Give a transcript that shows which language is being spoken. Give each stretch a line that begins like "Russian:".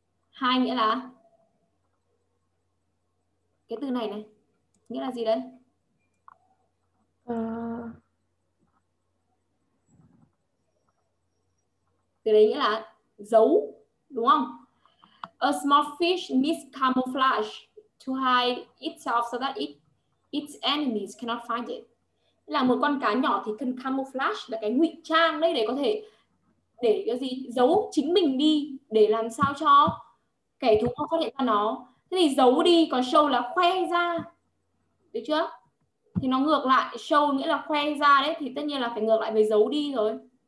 Vietnamese: 2 nghĩa là cái từ này này, nghĩa là gì đấy? Từ đấy nghĩa là giấu đúng không?
English: A small fish needs camouflage to hide itself so that its enemies cannot find it.
Vietnamese: Là một con cá nhỏ thì cần camouflage, là cái ngụy trang đấy, để có thể để cái gì, giấu chính mình đi để làm sao cho kẻ thù không phát hiện ra nó. Thế thì giấu đi, còn show là khoe ra, được chưa? Thì nó ngược lại, show nghĩa là khoe ra đấy, thì tất nhiên là phải ngược lại với giấu đi rồi.